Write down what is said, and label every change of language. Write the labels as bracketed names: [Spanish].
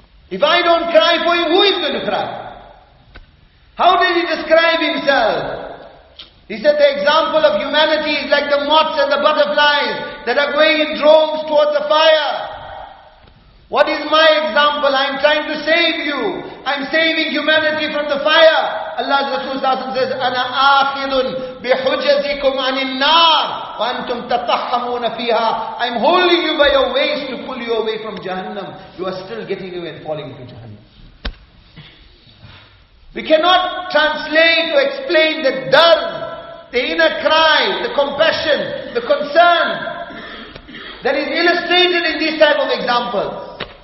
[English] If I don't cry for him, who is going to cry? How did he describe himself? He said the example of humanity is like the moths and the butterflies that are going in droves towards the fire. What is my example? I'm trying to save you. I'm saving humanity from the fire. Allah's Rasul says, [Arabic] أَنَا آخِذٌ بِحُجَّتِكُمْ عَنِ النَّارِ وَأَنْتُمْ تَطَحَّمُونَ فِيهَا. [English] I'm holding you by your waist to pull you away from Jahannam. You are still getting away and falling into Jahannam. We cannot translate or explain the dard, the inner cry, the compassion, the concern that is illustrated in these type of examples.